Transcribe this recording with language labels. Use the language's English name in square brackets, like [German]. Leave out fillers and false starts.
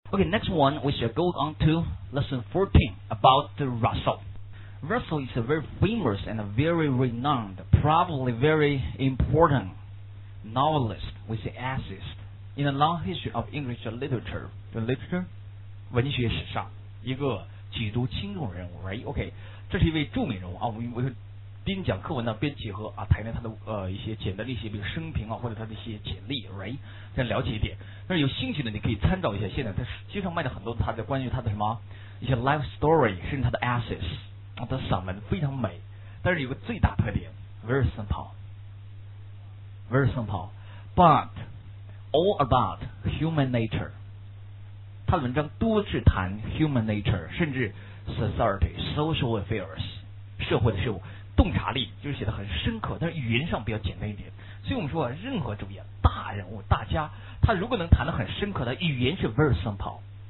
[English] Okay, next one, we shall go on to lesson 14 about the Russell. Russell is a very famous and a very renowned, probably very important novelist with the essays in the long history of English literature. The literature? [Chinese] 文学史上一个举足轻重人物 ， [English] right? Okay, [Chinese] 这是一位著名人物啊，我边讲课文呢，边结合啊，谈谈他的一些简单的一些，比如生平啊，或者他的一些简历 ， [English] right? [Chinese] 再了解一点。那有兴趣的，你可以参照一下。现在他街上卖的很多他的关于他的什么一些 [English] life story， [Chinese] 甚至他的 [English] essays， [Chinese] 他的散文非常美。但是有个最大特点 [English] ，very simple，but all about human nature。 [Chinese] 他的文章多是谈 [English] human nature， [Chinese] 甚至 [English] society social affairs [Chinese] 社会的事物，洞察力就是写得很深刻，但是语言上比较简单一点。所以我们说，任何主义大人物大家，他如果能谈得很深刻，他语言是 [English] very simple。